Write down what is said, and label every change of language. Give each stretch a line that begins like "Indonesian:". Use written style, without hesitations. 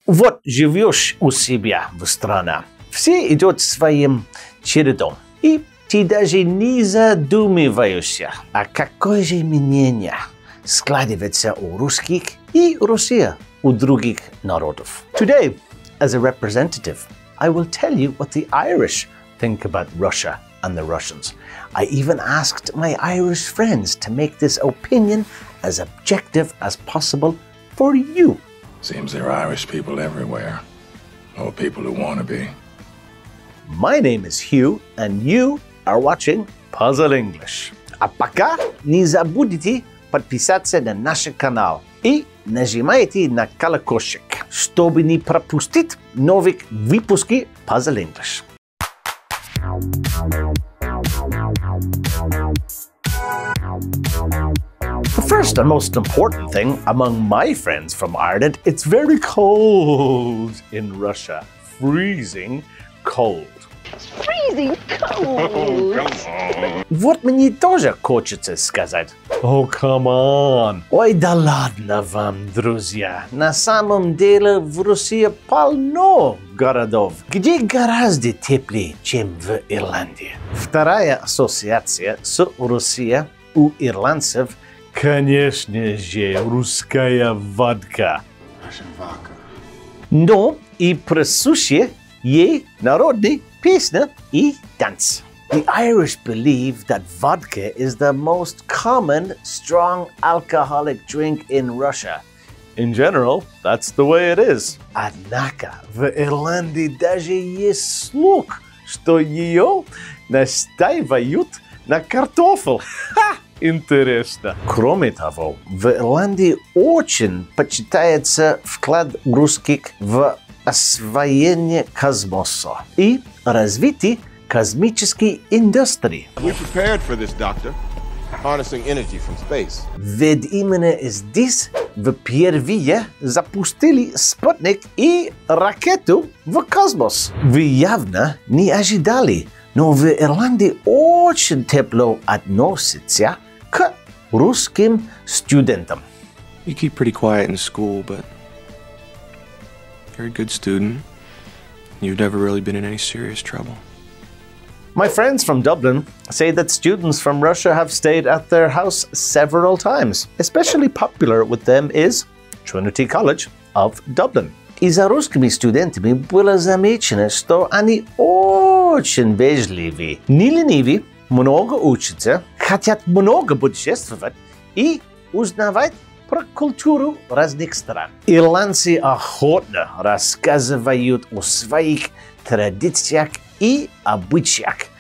Russian: Вот живешь у себя в стране, все идут своим чередом, и ты даже не задумываешься, а какое же мнение складывается у русских и Россия у других народов.
English: Today, as a representative, I will tell you what the Irish think about Russia and the Russians. I even asked my Irish friends to make this opinion as objective as possible for you. Seems there are Irish people everywhere, or people who want to be. My name is Hugh, and you are watching Puzzle English.
Russian: А пока не забудьте подписаться на наш канал и нажимайте на колокольчик, чтобы не пропустить новых выпусков Puzzle English.
English: First and most important thing, among my friends from Ireland, it's very cold in Russia. Freezing cold. Freezing cold! Oh, come on!
Russian: Вот мне тоже хочется сказать.
English: Oh, come on!
Russian: Ой, да ладно вам, друзья. На самом деле в России полно городов, где гораздо теплее, чем в Ирландии. Вторая ассоциация с Россией у ирландцев – конечно же, русская водка. Но и присуща ей народная песня и танц.
English: The Irish believe that vodka is the most common strong alcoholic drink in Russia. In general, that's the way it is.
Russian: Однако в Ирландии даже есть слух, что ее настаивают на картофель. Интересно. Кроме того, в Ирландии очень почитается вклад русских в освоение космоса и развитие космической индустрии.
English: We prepared for this, Doctor. Harnessing energy from space.
Russian: Ведь именно здесь впервые запустили спутник и ракету в космос. Вы явно не ожидали, но в Ирландии очень тепло относится к русским студентам.
English: You keep pretty quiet in school, but you're a good student. You've never really been in any serious trouble. My friends from Dublin say that students from Russia have stayed at their house several times. Especially popular with them is Trinity College of Dublin.
Russian: И за русскими студентами было замечено, что они очень вежливы, не ленивы, много учатся, хотят много путешествовать и узнавать про культуру разных стран. Ирландцы охотно рассказывают о своих традициях и обычаях.